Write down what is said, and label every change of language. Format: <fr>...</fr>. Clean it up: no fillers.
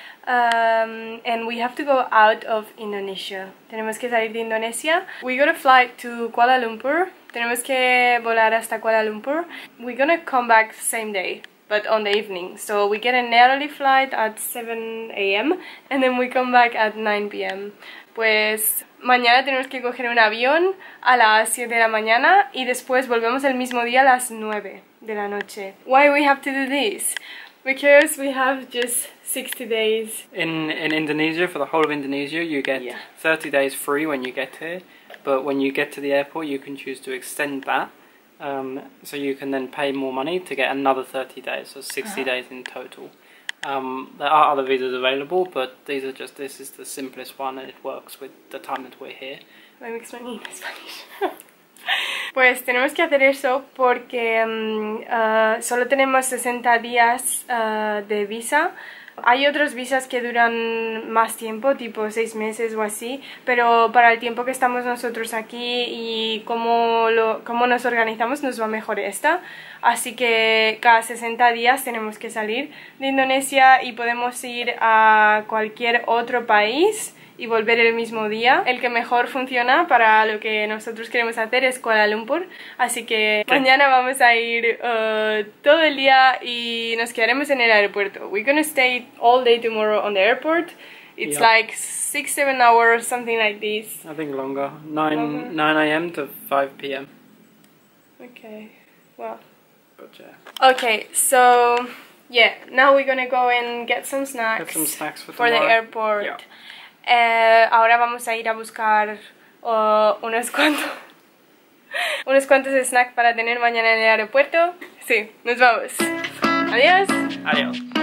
<en>And we have to go out of Indonesia.</en> <es>Tenemos que salir de Indonesia.</es> <en>We got a flight to Kuala Lumpur.</en> <es>Tenemos que volar hasta Kuala Lumpur.</es> <en>We're gonna come back same day, but on the evening. So we get an early flight at 7 a.m. and then we come back at 9 p.m.</en> <es>Pues mañana tenemos que coger un avión a las 7 de la mañana y después volvemos el mismo día a las 9 de la noche.</es> <en>Why we have to do this? Because we have just 60 days. In Indonesia, for the whole of Indonesia, you get 30 days free when you get here. But when you get to the airport, you can choose to extend that. So you can then pay more money to get another 30 days, so 60 days in total. There are other visas available, but these are just, this is the simplest one and it works with the time that we're here. Let me explain in Spanish.</en> <es>Pues tenemos que hacer eso porque solo tenemos 60 días de visa. Hay otros visas que duran más tiempo, tipo 6 meses o así, pero para el tiempo que estamos nosotros aquí y cómo nos organizamos, nos va mejor esta. Así que cada 60 días tenemos que salir de Indonesia y podemos ir a cualquier otro país y volver el mismo día. El que mejor funciona para lo que nosotros queremos hacer es Kuala Lumpur. Así que mañana vamos a ir todo el día y nos quedaremos en el aeropuerto.</es> <en>We're gonna stay all day tomorrow on the airport. It's like 6-7 hours, something like this. I think longer. 9 a.m. to 5 p.m. Okay, well. Gotcha. Okay, so yeah, now we're gonna go and get some snacks. Get some snacks for tomorrow. For the airport. Yeah.</en> <es>Ahora vamos a ir a buscar unos cuantos snacks para tener mañana en el aeropuerto. Sí, nos vamos. Adiós. Adiós.</es>